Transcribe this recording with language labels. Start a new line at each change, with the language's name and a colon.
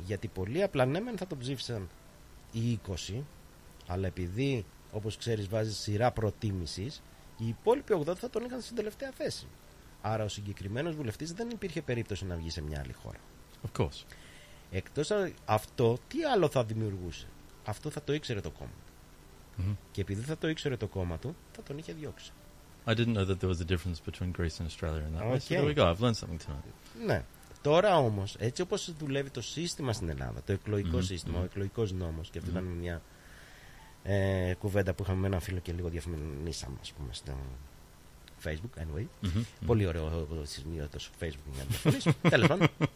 Greek: Γιατί πολύ απλά, ναι, μεν θα τον ψήφισαν οι 20, αλλά επειδή, όπως ξέρεις, βάζει σειρά προτίμησης, οι υπόλοιποι 80 θα τον είχαν στην τελευταία θέση. Άρα ο συγκεκριμένος βουλευτής δεν υπήρχε περίπτωση να βγει σε μια άλλη χώρα.
English: Of course.
Greek: Εκτός από αυτό, τι άλλο θα δημιουργούσε? Αυτό θα το ήξερε το κόμμα του. Mm-hmm. Και επειδή θα το ήξερε το κόμμα του, θα τον είχε διώξει.
English: I didn't know that there was a difference between Greece and Australia in that way. Okay. So there we go. I've learned something tonight.
Greek: Ναι. Τώρα όμως, έτσι όπως δουλεύει το σύστημα στην Ελλάδα, το εκλογικό mm-hmm. σύστημα, mm-hmm. ο εκλογικός νόμος, και αυτό mm-hmm. ήταν μια κουβέντα που είχαμε με έναν φίλο και λίγο διαφημίσαμε, ας πούμε, στο Facebook, anyway. Mm-hmm. Πολύ ωραίο ο σημείωτος στο Facebook για να διαφημίσουμε. Τέλος πάντων.